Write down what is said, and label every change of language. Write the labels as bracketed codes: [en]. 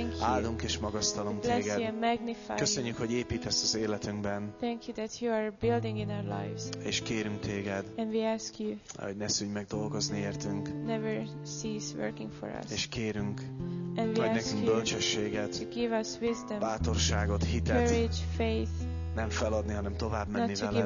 [hu] Áldunk és magasztalom téged. Köszönjük, hogy építesz az életünkben. [en] Thank you that you are building in our lives. [hu] És kérünk téged. [en] And we ask you. [hu] Hogy ne szűnj meg dolgozni értünk. [en] Never cease working for us. [hu] És kérünk. [en] And we ask [hu] nekünk bölcsességet. [en] To give us wisdom. [hu] Bátorságot, hitet. [en] Courage, faith. [hu] Nem feladni, hanem tovább menni veled.